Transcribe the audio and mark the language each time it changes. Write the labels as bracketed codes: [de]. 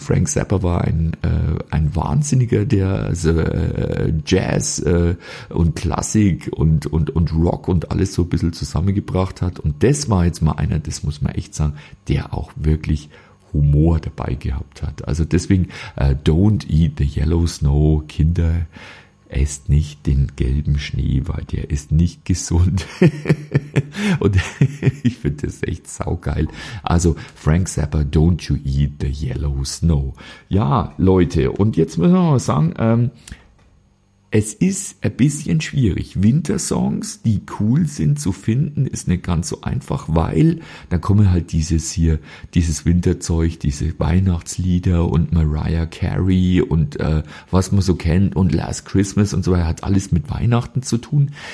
[de] Frank Zappa war ein Wahnsinniger, der also, Jazz und Klassik und Rock und alles so ein bisschen zusammengebracht hat und das war jetzt mal einer, das muss man echt sagen, der auch wirklich Humor dabei gehabt hat. Also deswegen, [en] don't eat the yellow snow, [de] Kinder, esst nicht den gelben Schnee, weil der ist nicht gesund. Und ich finde das echt saugeil. [en] Also Frank Zappa, don't you eat the yellow snow. [de] Ja, Leute, und jetzt müssen wir mal sagen, es ist ein bisschen schwierig. Wintersongs, die cool sind zu finden, ist nicht ganz so einfach, weil da kommen halt dieses hier, dieses Winterzeug, diese Weihnachtslieder und Mariah Carey und was man so kennt und Last Christmas und so weiter, hat alles mit Weihnachten zu tun.